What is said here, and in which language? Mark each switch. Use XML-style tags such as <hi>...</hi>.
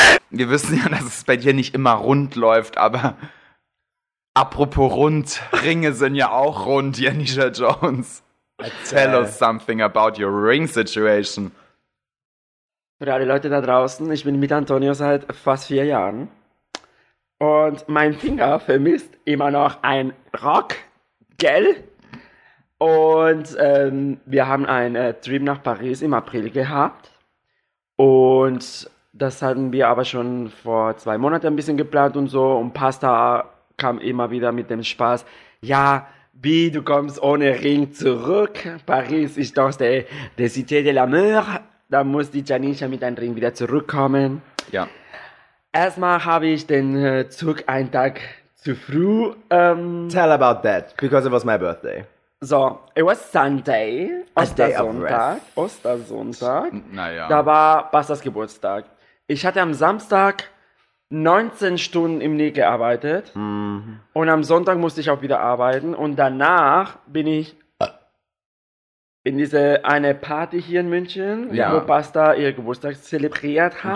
<de>Wir wissen ja, dass es bei dir nicht immer rund läuft, aber apropos rund, Ringe sind ja auch rund, Janisha Jones.</de> <en>Tell us something about your ring situation.</en> <de>Für alle Leute da draußen, ich bin mit Antonio seit fast 4 Jahren. Und mein Finger vermisst immer noch ein Rock, gell? Und wir haben einen Trip nach Paris im April gehabt. Und das hatten wir aber schon vor 2 Monaten ein bisschen geplant und so. Und Pasta kam immer wieder mit dem Spaß. Ja, wie, du kommst ohne Ring zurück. Paris ist doch die Cité de l'Amour. Da muss die Janisha mit einem Ring wieder zurückkommen. Ja. Erstmal habe ich den Zug einen Tag zu früh.</de> <en>Tell about that, because it was my birthday. So, it was Sunday, Ostersonntag.</en> <de>Ostersonntag. Naja. Da war Bastas Geburtstag. Ich hatte am Samstag 19 Stunden im Nick gearbeitet. Und am Sonntag musste ich auch wieder arbeiten. Und danach bin ich in diese eine Party hier in München, wo Basta ihr Geburtstag zelebriert hat.</de>